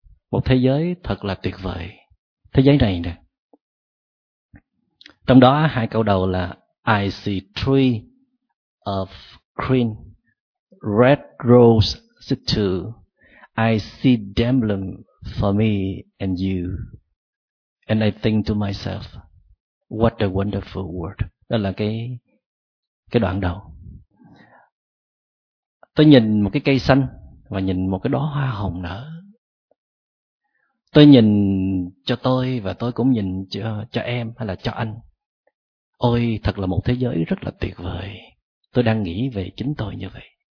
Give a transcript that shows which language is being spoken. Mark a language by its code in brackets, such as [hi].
[vi] Một thế giới thật là tuyệt vời. Thế giới này nè. Trong đó hai câu đầu là [en] I see tree of green, red rose sit too. I see them bloom for me and you. And I think to myself, what a wonderful world. [vi] Đó là cái đoạn đầu. Tôi nhìn một cái cây xanh và nhìn một cái đóa hoa hồng nở. Tôi nhìn cho tôi và tôi cũng nhìn cho em hay là cho anh. Ôi, thật là một thế giới rất là tuyệt vời. Tôi đang nghĩ về chính tôi như vậy.